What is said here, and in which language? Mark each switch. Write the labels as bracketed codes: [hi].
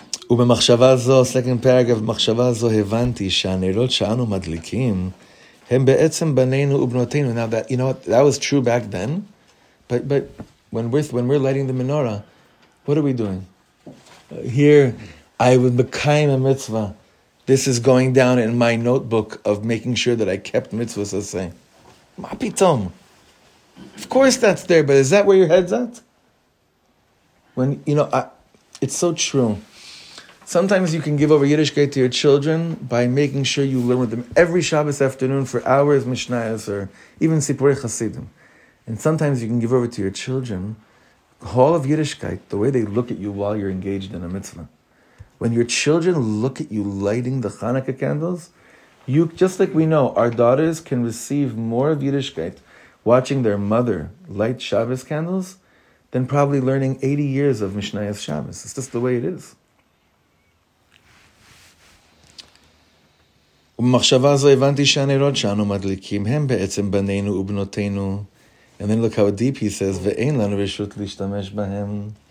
[he] ובמחשבה זו, [en] second paragraph, [he] במחשבה זו הבנתי שהנרות שאנו מדליקים הם בעצם בנינו ובנותינו. [en] Now that, you know what, that was true back then, but when we're lighting the menorah, what are we doing? Here, I would mekayim a mitzvah. This is going down in my notebook of making sure that I kept mitzvahs. I say, ma pitom. Of course that's there, but is that where your head's at? When, you know, it's so true. Sometimes you can give over Yiddishkeit to your children by making sure you learn with them every Shabbos afternoon for hours, Mishnayos, or even Sipurei Chassidim. And sometimes you can give over to your children all of Yiddishkeit, the way they look at you while you're engaged in a mitzvah. When your children look at you lighting the Hanukkah candles, you, just like we know, our daughters can receive more of Yiddishkeit watching their mother light Shabbos candles than probably learning 80 years of Mishnayos Shabbos. It's just the way it is. [he] ובמחשבה זו הבנתי שהנרות שאנו מדליקים הם בעצם בנינו ובנותינו. [en] And then look how deep he says, [he] ואין לנו רשות להשתמש בהם.